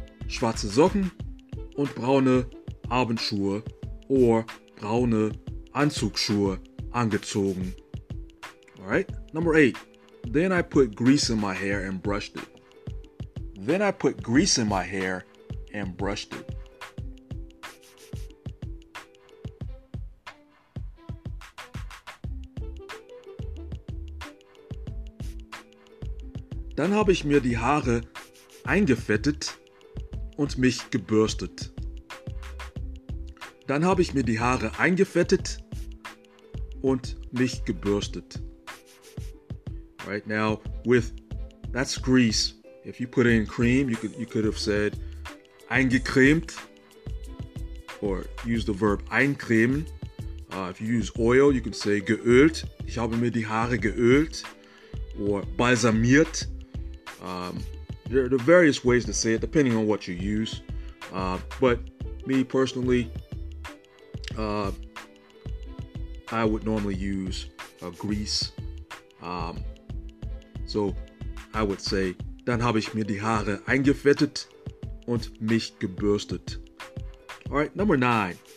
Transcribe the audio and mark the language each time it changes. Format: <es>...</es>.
<de>schwarze Socken und braune Abendschuhe or braune Anzugschuhe angezogen.</de> <en>Alright, number 8. Then I put grease in my hair and brushed it. Then I put grease in my hair and brushed it.</en> <de>Dann habe ich mir die Haare eingefettet und mich gebürstet. Dann habe ich mir die Haare eingefettet und mich gebürstet.</de> <en>Right now, with that's grease. If you put in cream, you could have said eingecremt or use the verb eincremen. If you use oil, you can say geölt.</en> <de>Ich habe mir die Haare geölt or balsamiert.</de> <en>There are various ways to say it, depending on what you use. But me personally, I would normally use grease. So I would say,</en> <de>dann habe ich mir die Haare eingefettet und mich gebürstet.</de> <en>All right, number 9.</en>